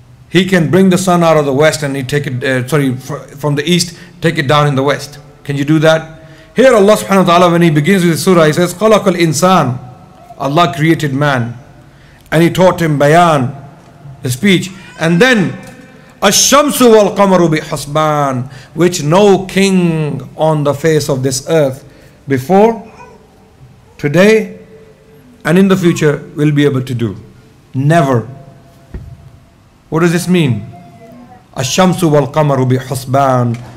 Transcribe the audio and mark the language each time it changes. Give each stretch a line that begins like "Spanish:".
English: He can bring the sun out of the west and he take it, from the east, take it down in the west. Can you do that? Here Allah subhanahu wa ta'ala, when he begins with the surah, he says,
Arabic: خَلَقَ الْإِنسَانِ.
English: Allah created man. And he taught him bayan, the speech. And then,
Arabic: الشَّمْسُ وَالْقَمَرُ بِحَسْبَانِ.
English: Which no king on the face of this earth before, today, and in the future will be able to do. Never. What does this mean?
Arabic: الشَّمْسُ وَالْقَمَرُ بِحَسْبَانِ.